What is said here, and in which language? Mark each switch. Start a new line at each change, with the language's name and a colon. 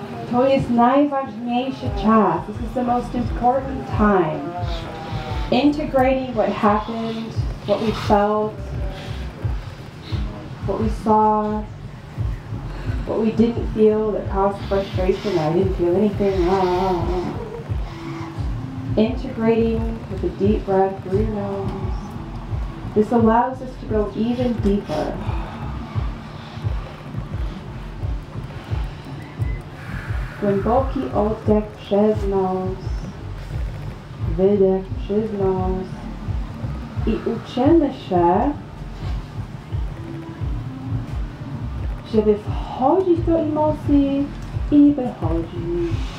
Polish: To jest najważniejszy czas.
English: This is the most important time. Integrating what happened, what we felt, what we saw, what we didn't feel that caused frustration. I didn't feel anything wrong. Integrating with a deep breath through your nose. This allows us to go even deeper.
Polish: Głęboki oddech przez nos, wydech przez nos i uczymy się, żeby wchodzić do emocji i wychodzić.